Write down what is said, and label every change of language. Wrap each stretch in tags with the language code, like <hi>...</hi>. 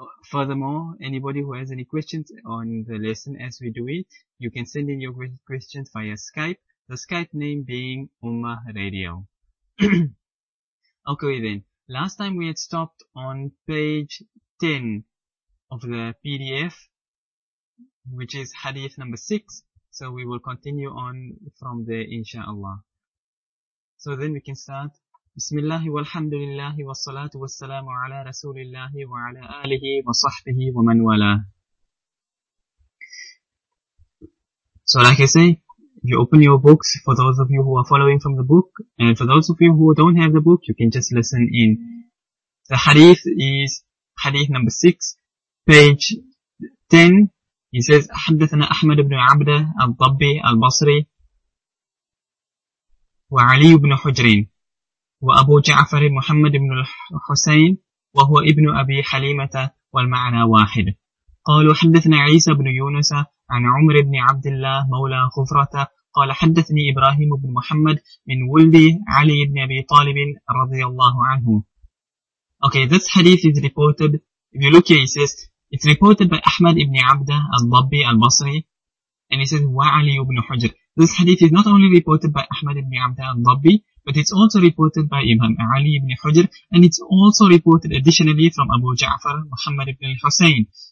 <en>Furthermore, anybody who has any questions on the lesson as we do it, you can send in your questions via Skype, the Skype name being Ummah Radio. Okay then, last time we had stopped on page 10 of the PDF, which is Hadith number 6, so we will continue on from there, inshallah. So then we can start.</en> <ar>بسم الله والحمد لله والصلاة والسلام على رسول الله وعلى آله وصحبه ومن والاه.</ar> <en>So like I say, if you open your books, for those of you who are following from the book, and for those of you who don't have the book, you can just listen in. The hadith is hadith number 6, page 10. He says,</en> <ar>حدثنا أحمد بن عبدة الضبي البصري وعلي بن حجرين وأبو جعفر محمد بن الحسين وهو ابن أبي حليمة والمعنى واحد. قالوا حدثنا عيسى بن يونس عن عمر بن عبد الله مولى غفرة قال حدثني إبراهيم بن محمد من ولدي علي بن أبي طالب رضي الله عنه.</ar> <en>Okay, this hadith is reported, if you look here it says, it's reported by Ahmad ibn Abdah al-Dabbi al-Basri, and it says وعلي بن حجر. This hadith is not only reported by Ahmad ibn Abdah al-Dabbi, but it's also reported by Imam Ali ibn Hujr, and it's also reported additionally from Abu Ja'far Muhammad ibn al-Husayn.</en>